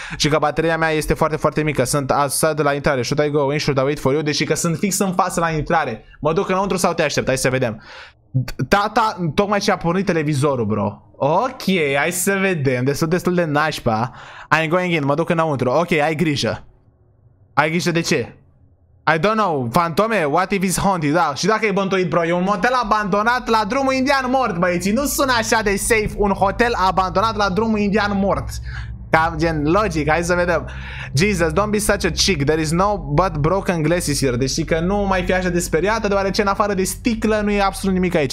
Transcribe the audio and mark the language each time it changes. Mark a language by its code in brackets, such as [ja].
[ro] Și că bateria mea este foarte, foarte mică. Sunt outside de la intrare. [en] Should I go in? Should I wait for you? [ro] Deci că sunt fix în față la intrare. Mă duc înăuntru sau te aștept? Hai să vedem. Tata tocmai ce a pornit televizorul, bro. Ok, hai să vedem. Destul, destul de nașpa. [en] I'm going in, [ro] mă duc înăuntru. Ok, ai grijă. Ai grijă de ce? [en] I don't know, [ro] fantome, [en] what if it's haunted? [ro] Da, și dacă e bântuit, bro, e un motel abandonat la drumul indian mort, băieții. Nu sună așa de safe un hotel abandonat la drumul indian mort. Cam gen logic, hai să vedem. [en] Jesus, don't be such a chick. There is no but broken glasses here. [ro] Deci că nu mai fi așa de speriată, deoarece în afară de sticlă nu e absolut nimic aici.